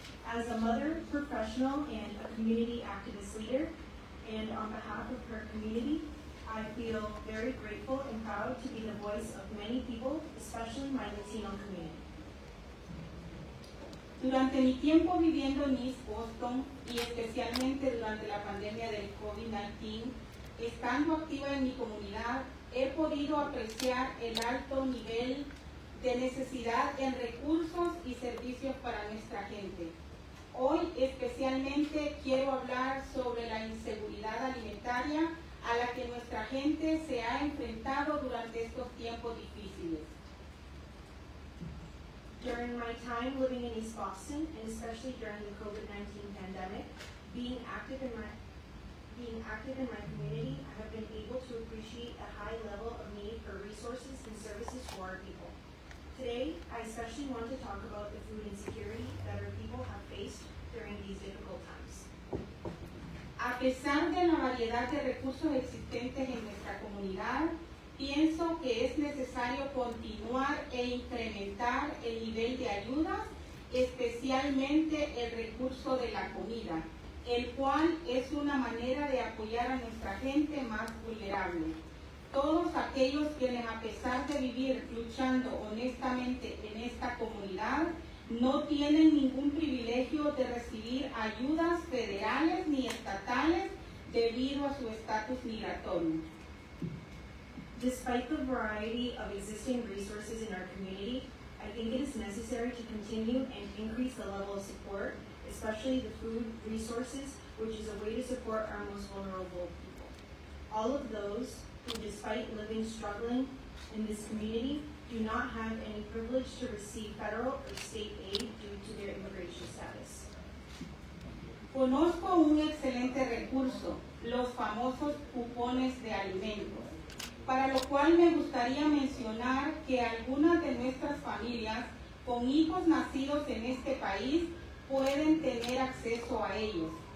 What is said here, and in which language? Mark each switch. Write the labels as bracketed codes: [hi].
[en] As a mother, professional, and a community activist leader, and on behalf of her community, I feel very grateful and proud to be the voice of many people, especially my Latino community. [es] Durante mi tiempo viviendo en East Boston, y especialmente durante la pandemia del COVID-19, estando activa en mi comunidad, he podido apreciar el alto nivel de necesidad en recursos y servicios para nuestra gente. Hoy, especialmente, quiero hablar sobre la inseguridad alimentaria a la que nuestra gente se ha enfrentado durante estos tiempos difíciles. [en] During my time living in East Boston, and especially during the COVID-19 pandemic, being active in my community, I have been able to appreciate a high level of need for resources and services for our people. Today, I especially want to talk about the food insecurity that our people have faced during these difficult times. [es] A pesar de la variedad de recursos existentes en nuestra comunidad, pienso que es necesario continuar e incrementar el nivel de ayudas, especialmente el recurso de la comida, el cual es una manera de apoyar a nuestra gente más vulnerable. Todos aquellos quienes, a pesar de vivir luchando honestamente en esta comunidad, no tienen ningún privilegio de recibir ayudas federales ni estatales debido a su estatus migratorio. [en] Despite the variety of existing resources in our community, I think it is necessary to continue and increase the level of support, especially the food resources, which is a way to support our most vulnerable people. All of those who, despite living struggling in this community, do not have any privilege to receive federal or state aid due to their immigration status. [es] Conozco un excelente recurso, los famosos cupones de alimentos. Para lo cual me gustaría mencionar que algunas de nuestras familias con hijos nacidos en este país pueden tener acceso a ellos,